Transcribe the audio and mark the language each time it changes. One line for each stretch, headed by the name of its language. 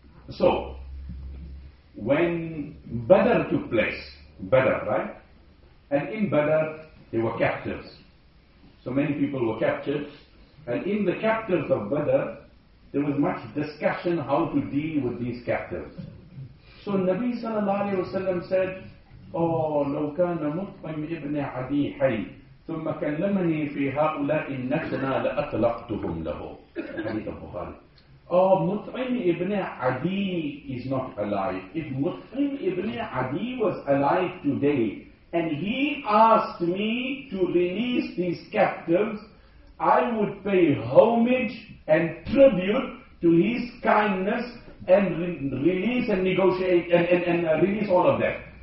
English: So, when Badr took place, Badr, right? And in Badr, there were captives. So many people were captured. And in the captives of Badr, there was much discussion how to deal with these captives. So Nabi sallallahu alayhi wa sallam said, oh,
Arabic: لو كان مطعم ابن عدي حي ثم كلمني في هؤلاء النتنا لأطلقتهم له. حديث البخاري.
English: Oh, مطعم ابن عدي is not alive. If مطعم ابن عدي was alive today and he asked me to release these captives, I would pay homage and tribute to his kindness and release and negotiate and release all of that.